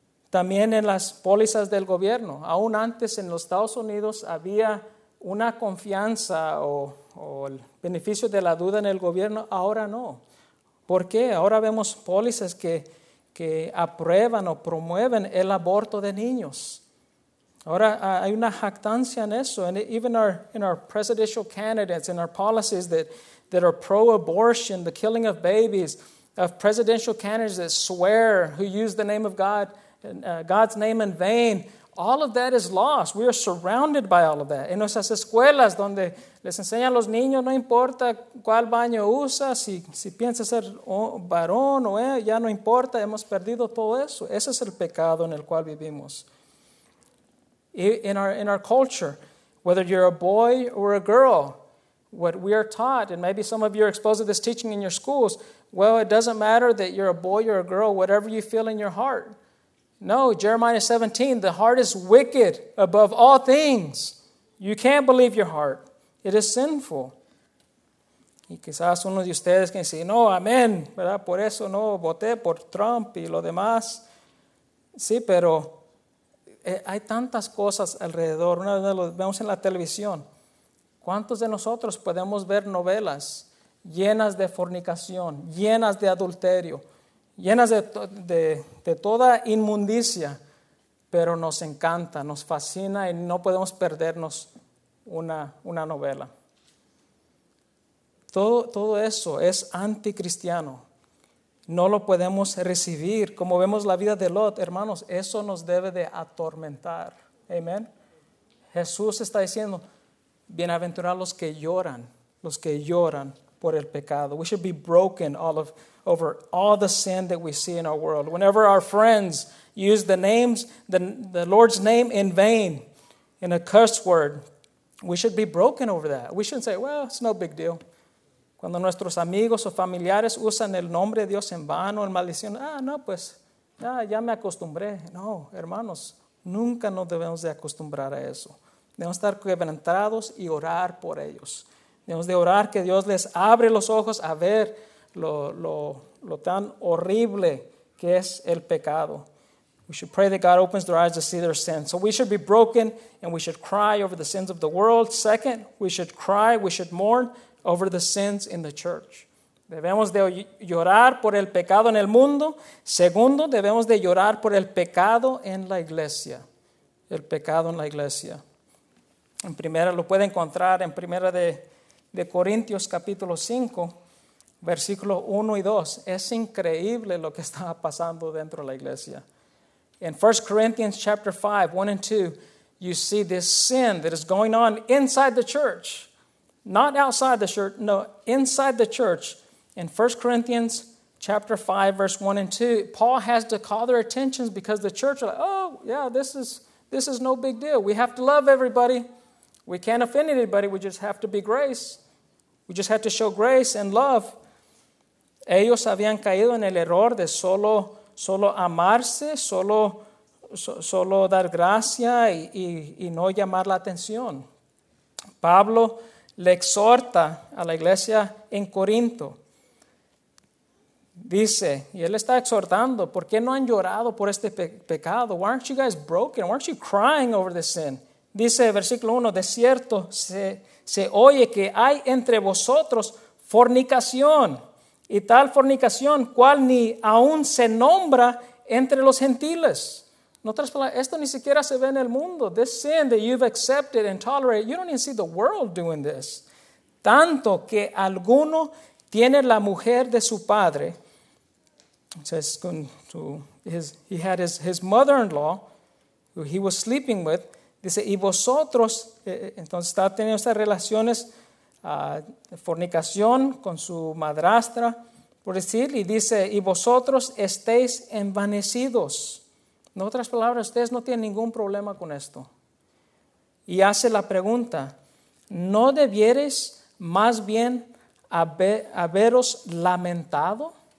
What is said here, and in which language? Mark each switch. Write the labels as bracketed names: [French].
[Spanish] También en las pólizas del gobierno. Aún antes en los Estados Unidos había una confianza o el beneficio de la duda en el gobierno, ahora no. ¿Por qué? Ahora vemos pólizas que aprueban o promueven el aborto de niños. Ahora hay una jactancia en eso, [English] and even in our presidential candidates, in our policies that are pro-abortion, the killing of babies, of presidential candidates that swear, who use the name of God, God's name in vain, all of that is lost. We are surrounded by all of that. [Spanish] En nuestras escuelas donde les enseñan a los niños, no importa cuál baño usa, si piensa ser varón o ya no importa, hemos perdido todo eso. Ese es el pecado en el cual vivimos. [English] In our culture, whether you're a boy or a girl, what we are taught, and maybe some of you are exposed to this teaching in your schools, well, it doesn't matter that you're a boy or a girl, whatever you feel in your heart. No, Jeremiah 17, the heart is wicked above all things. You can't believe your heart. It is sinful. [Spanish] Y quizás uno de ustedes que dice, no, amén, ¿verdad? Por eso no voté por Trump y lo demás. Sí, pero hay tantas cosas alrededor. Una vez lo vemos en la televisión. ¿Cuántos de nosotros podemos ver novelas llenas de fornicación, llenas de adulterio, llenas de toda inmundicia? Pero nos encanta, nos fascina y no podemos perdernos una novela. Todo eso es anticristiano. No lo podemos recibir. Como vemos la vida de Lot, hermanos, eso nos debe de atormentar. Amén. Jesús está diciendo, bienaventurados los que lloran por el pecado. [English] We should be broken over all the sin that we see in our world. Whenever our friends use the Lord's name in vain, in a curse word, we should be broken over that. We shouldn't say, well, it's no big deal. [Spanish] Cuando nuestros amigos o familiares usan el nombre de Dios en vano, en maldición, ya me acostumbré. No, hermanos, nunca nos debemos de acostumbrar a eso. Debemos estar quebrantados y orar por ellos. Debemos de orar que Dios les abre los ojos a ver lo tan horrible que es el pecado. [English] We should pray that God opens their eyes to see their sin. So we should be broken and we should cry over the sins of the world. Second, we should mourn over the sins in the church. [Spanish] Debemos de llorar por el pecado en el mundo. Segundo, debemos de llorar por el pecado en la iglesia. El pecado en la iglesia. En primera, lo puede encontrar en primera de Corintios capítulo 5, versículos 1 y 2. Es increíble lo que está pasando dentro de la iglesia. [English] In 1 Corinthians chapter 5, 1 and 2, you see this sin that is going on inside the church. Not outside the church, no, inside the church. In 1 Corinthians chapter 5, verse 1 and 2, Paul has to call their attention because the church are like, this is no big deal. We have to love everybody. We can't offend anybody. We just have to be grace. We just have to show grace and love. [Spanish] Ellos habían caído en el error de solo amarse, solo dar gracia y no llamar la atención. Pablo le exhorta a la iglesia en Corinto. Dice, y él está exhortando, ¿por qué no han llorado por este pecado? [English] Why aren't you guys broken? Why aren't you crying over this sin? [Spanish] Dice, versículo 1, de cierto se oye que hay entre vosotros fornicación. Y tal fornicación, cual ni aún se nombra entre los gentiles. En otras palabras, esto ni siquiera se ve en el mundo. [English] This sin that you've accepted and tolerated, you don't even see the world doing this. [Spanish] Tanto que alguno tiene la mujer de su padre. [English] It says, he had his mother-in-law, who he was sleeping with. [Spanish] Dice, y vosotros, entonces está teniendo estas relaciones fornicación con su madrastra, por decir, y dice, y vosotros estéis envanecidos. En otras palabras, ustedes no tienen ningún problema con esto. Y hace la pregunta, ¿no debierais más bien haberos lamentado?